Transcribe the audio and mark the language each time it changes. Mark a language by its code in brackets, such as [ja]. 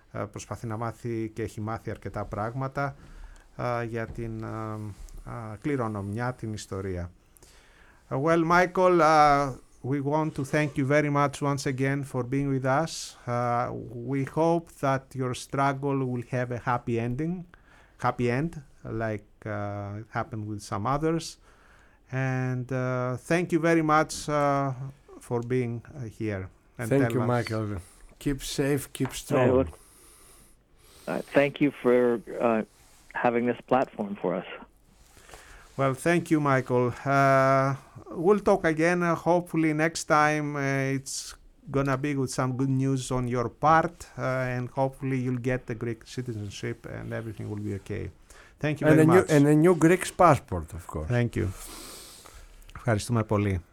[el] Προσπαθεί να μάθει και έχει μάθει αρκετά πράγματα για την κληρονομιά, την ιστορία. [en] Well, Michael, we want to thank you very much once again for being with us. We hope that your struggle will have a happy end, like happened with some others. And thank you very much for being here. And thank you, Michael. Keep safe, keep strong. Thank you for having this platform for us. Well, thank you, Michael. We'll talk again, hopefully next time. It's going to be with some good news on your part, and hopefully you'll get the Greek citizenship and everything will be okay. Thank you and very much. And a new Greek passport, of course. Thank you. [el] Ευχαριστούμε πολύ.